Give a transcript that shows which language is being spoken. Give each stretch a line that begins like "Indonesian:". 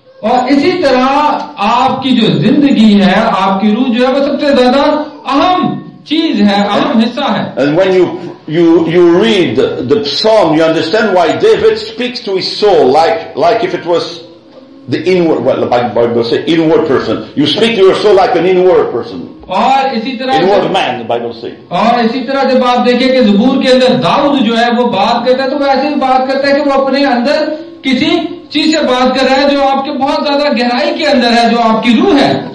Hindi: और इसी तरह आपकी जो जिंदगी है, आपकी रूह जो है, वो सबसे ज्यादा अहम चीज है, अहम हिस्सा है.
English: And when you read the song, you understand why David speaks to his soul like if it was the inward, well, the Bible says inward person. You speak to your soul like an inward person.
Hindi: और इसी तरह
English: inward man, the Bible says.
Hindi: और इसी तरह जब आप देखें कि ज़बूर के अंदर दाऊद जो है वो बात करता है तो वो ऐसे ही बात करता है कि वो अपने अंदर किसी चीज से बात कर रहा है जो आपके बहुत ज्यादा गहराई के अंदर है, जो आपकी रूह है.